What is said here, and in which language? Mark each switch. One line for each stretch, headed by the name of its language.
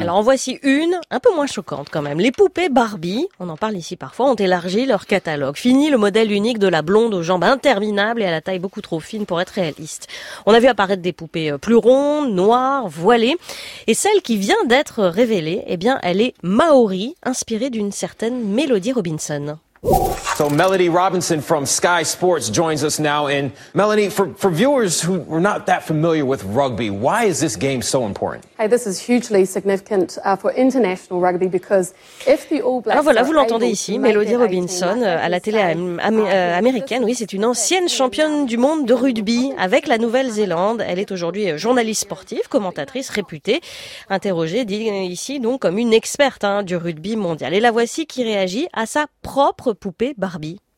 French: Alors en voici une, un peu moins choquante quand même. Les poupées Barbie, on en parle ici parfois, ont élargi leur catalogue. Fini le modèle unique de la blonde aux jambes interminables et à la taille beaucoup trop fine pour être réaliste. On a vu apparaître des poupées plus rondes, noires, voilées. Et celle qui vient d'être révélée, eh bien, elle est Maori, inspirée d'une certaine Melody Robinson.
English: So Melody Robinson from Sky Sports joins us now. And Melody, for viewers who are not that familiar with rugby, why is this game so important? Hey, this is hugely significant for international rugby because if the All Blacks.
French: Alors voilà, vous l'entendez ici, Melody Robinson à la télé américaine. Oui, c'est une ancienne championne du monde de rugby avec la Nouvelle-Zélande. Elle est aujourd'hui journaliste sportive, commentatrice réputée, interrogée ici donc comme une experte du rugby mondial. Et la voici qui réagit à sa propre poupée Barbie.